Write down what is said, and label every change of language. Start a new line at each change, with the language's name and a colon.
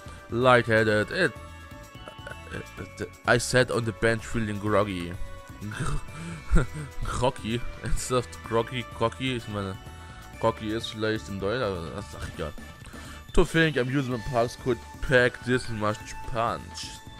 English: Lightheaded, I sat on the bench feeling groggy. Groggy?
German: Ernsthaft
English: groggy, cocky?
German: Ich meine, cocky ist vielleicht in Deutsch, aber das sag ich ja.
English: To think amusement parks could pack this much punch.